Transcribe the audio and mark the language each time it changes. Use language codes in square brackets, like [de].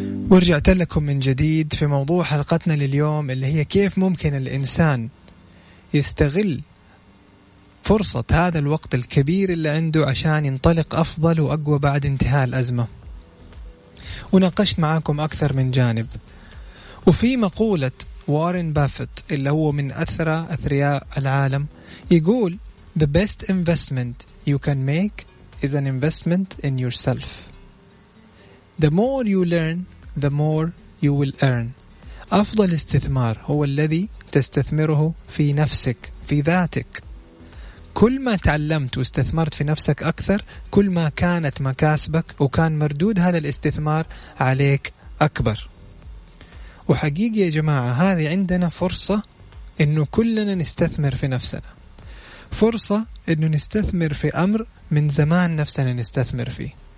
[ar] ورجعت لكم من جديد في موضوع حلقتنا لليوم اللي هي كيف ممكن الإنسان يستغل فرصة هذا الوقت الكبير اللي عنده عشان ينطلق أفضل وأقوى بعد انتهاء الأزمة. وناقشت معاكم أكثر من جانب. وفي مقولة وارن بافيت اللي هو من أثرى أثرياء العالم يقول [en] The best investment you can make is an investment in yourself. The more you learn, the more you will earn. [ar] أفضل استثمار هو الذي تستثمره في نفسك، في ذاتك. كل ما تعلمت واستثمرت في نفسك أكثر، كل ما كانت مكاسبك وكان مردود هذا الاستثمار عليك أكبر. وحقيقي يا جماعة هذه عندنا فرصة إنه كلنا نستثمر في نفسنا، فرصة إنه نستثمر في أمر من زمان نفسنا نستثمر فيه.